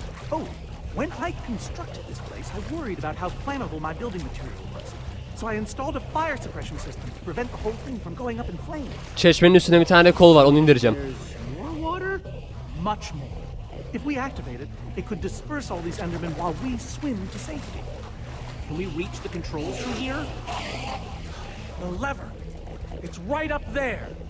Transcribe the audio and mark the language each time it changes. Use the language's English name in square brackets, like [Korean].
[English] Oh, when I constructed this place, I worried about how flammable my building material was. So I installed a fire suppression system to prevent the whole thing from going up in flames. [Turkish] Çeşmenin üstünde bir tane kol var, onu indireceğim. [English] More water? Much more. If we activate it, it could disperse all these endermen while we swim to safety. Can we reach the controls from here? The lever. It's right up there.